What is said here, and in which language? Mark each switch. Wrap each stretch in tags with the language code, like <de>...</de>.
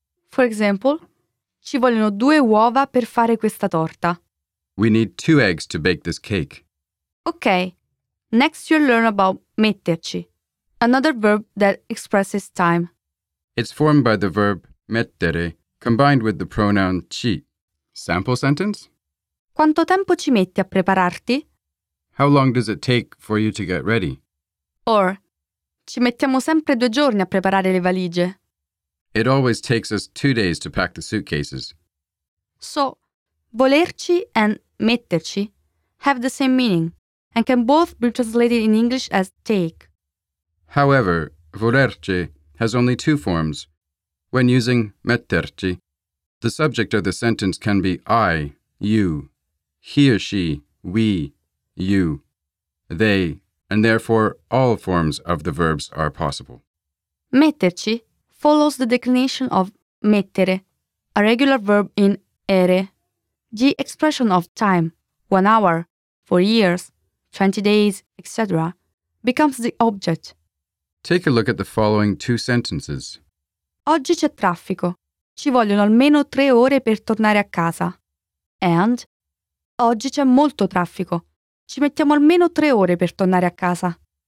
<en>For example,</en> <it>ci vogliono due uova per fare questa torta.</it> <en>We need 2 eggs to bake this cake. Okay, next you'll learn about metterci, another verb that expresses time. It's formed by the verb mettere combined with the pronoun ci. Sample sentence?</en> <it>Quanto tempo ci metti a prepararti?</it> <en>How long does it take for you to get ready? Or,</en> <it>ci mettiamo sempre 2 giorni a preparare le valigie.</it> <en>It always takes us 2 days to pack the suitcases. So, volerci and metterci have the same meaning and can both be translated in English as take. However, volerci has only 2 forms. When using metterci, the subject of the sentence can be I, you, he or she, we, you, they, and therefore all forms of the verbs are possible. Metterci follows the declination of mettere, a regular verb in ere. The expression of time, 1 hour, 4 years, 20 days, etc., becomes the object. Take a look at the following 2 sentences.</en> <it>Oggi c'è traffico. Ci vogliono almeno 3 ore per tornare a casa.</it> <en>And</en> <it>oggi c'è molto traffico. Ci mettiamo almeno 3 ore per tornare a casa.</it>